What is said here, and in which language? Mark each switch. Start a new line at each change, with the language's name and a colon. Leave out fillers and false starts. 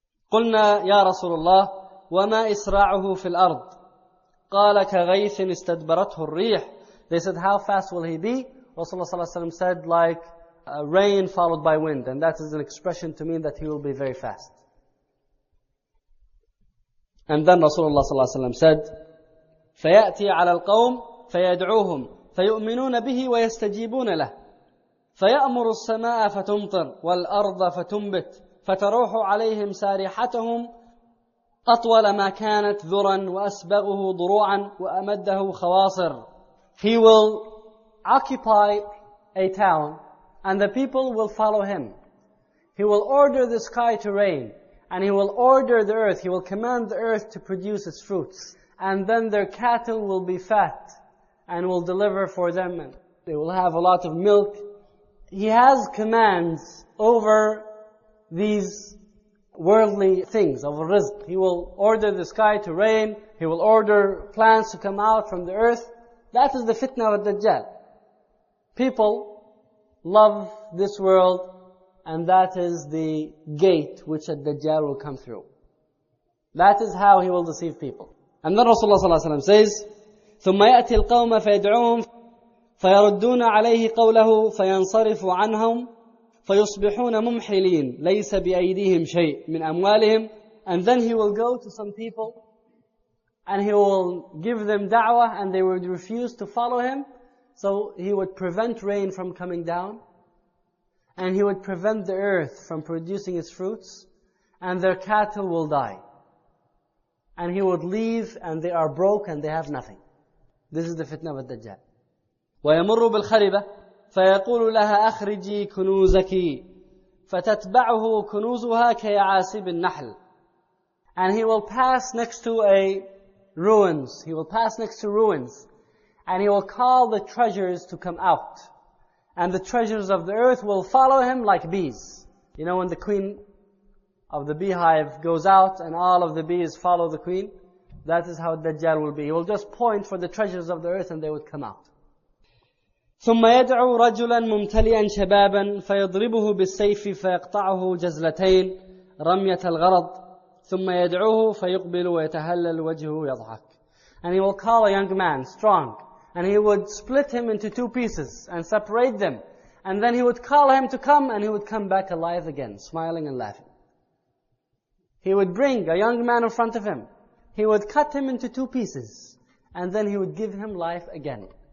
Arabic: قُلْنَا يَا رَسُولَ اللَّهِ وَمَا إِسْرَاعُهُ فِي الْأَرْضِ قَالَ كَغَيْثٍ إِسْتَدْبَرَتْهُ الرِّيحِ.
English: They said, how fast will he be? Rasulullah ﷺ said, like rain followed by wind. And that is an expression to mean that he will be very fast. And then Rasulullah ﷺ said,
Arabic: فَيَأْتِي عَلَى الْقَوْمِ فَيَدْعُوهُمْ فَيُؤْمِنُونَ بِهِ وَيَسْتَجِيبُونَ لَهُ فَيَأْمُرُ السَّمَاءَ فَتُمْطِرْ وَالْأَرْضَ فَتُنْبِتْ فَتَرُوحُ عَلَيْهِمْ سَارِحَتَهُمْ أطول ما كانت ذرا وأسبغه ضروعا وأمده خواصر.
English: He will occupy a town and the people will follow him. He will order the sky to rain and he will order the earth. He will command the earth to produce its fruits. And then their cattle will be fat and will deliver for them. They will have a lot of milk. He has commands over these worldly things of rizq. He will order the sky to rain. He will order plants to come out from the earth. That is the fitna of Dajjal. People love this world and that is the gate which Dajjal will come through. That is how he will deceive people. And then Rasulullah sallallahu alayhi wa sallam says,
Arabic: ثُمَّ يَأْتِي الْقَوْمَ فَيَدْعُوهُمْ فَيَرُدُّونَ عَلَيْهِ قَوْلَهُ فَيَنْصَرِفُ عَنْهُمْ فَيُصْبِحُونَ مُمْحِلِينَ لَيْسَ بِأَيْدِيهِمْ شَيْءٍ مِنْ أَمْوَالِهِمْ.
English: And then he will go to some people and he will give them da'wah and they would refuse to follow him. So he would prevent rain from coming down and he would prevent the earth from producing its fruits and their cattle will die. And he would leave and they are broke and they have nothing. This is the fitna of Dajjal.
Arabic: وَيَمُرُّ بِالْخَرِبَةِ فَيَقُولُ لَهَا أَخْرِجِي كُنُوزَكِ فَتَتْبَعُهُ كُنُوزُهَا كَيَعَاسِبِ النَّحْلِ.
English: And he will pass next to a ruins. He will pass next to ruins. And he will call the treasures to come out. And the treasures of the earth will follow him like bees. You know when the queen of the beehive goes out and all of the bees follow the queen? That is how Dajjal will be. He will just point for the treasures of the earth and they would come out.
Arabic: ثم يدعو رجلا ممتلئا شبابا فيضربه بالسيف فيقطعه جزلتين رمية الغرض ثم يدعوه فيقبل ويتهلل وجهه يضحك.
English: And he will call a young man, strong, and he would split him into two pieces and separate them. And then he would call him to come and he would come back alive again, smiling and laughing. He would bring a young man in front of him. He would cut him into two pieces and then he would give him life again.